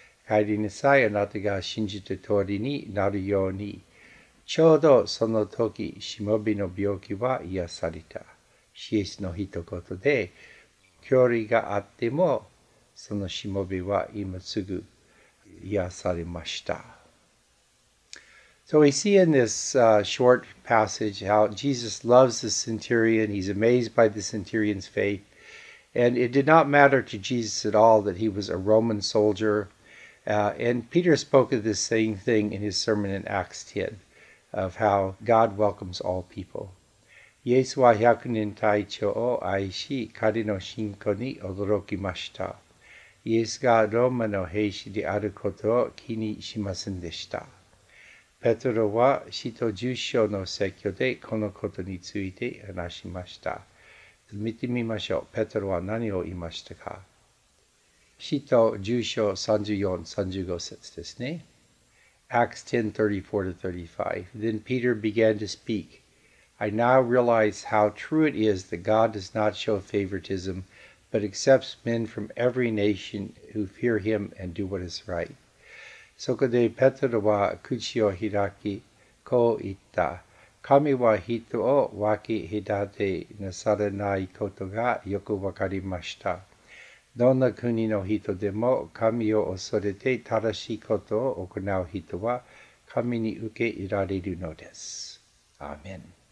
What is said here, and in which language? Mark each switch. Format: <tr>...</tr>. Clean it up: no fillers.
<ja>帰りなさい、あなたが信じた通りになるように。ちょうどその時、しもべの病気は癒された。イエスの一言で、距離があっても、そのしもべは今すぐ癒されました。</ja> <en>So we see in this short passage how Jesus loves the centurion. He's amazed by the centurion's faith. And it did not matter to Jesus at all that he was a Roman soldier. And Peter spoke of this same thing in his sermon in Acts 10, of how God welcomes all people.</en> <ja>イエスは百人隊長を愛し、彼の信仰に驚きました。イエスがローマの兵士であることを気にしませんでした。ペトロは使徒十章の説教でこのことについて話しました。見てみましょう。ペトロは何を言いましたか? 使徒十章34、35節ですね。</ja> <en>Acts 10:34-35. Then Peter began to speak. I now realize how true it is that God does not show favoritism, but accepts men from every nation who fear him and do what is right.</en> <ja>そこでペトロは口を開き、こう言った。神は人を分け隔てなさらないことがよくわかりました。どんな国の人でも神を恐れて正しいことを行う人は神に受け入られるのです。アーメン。</ja>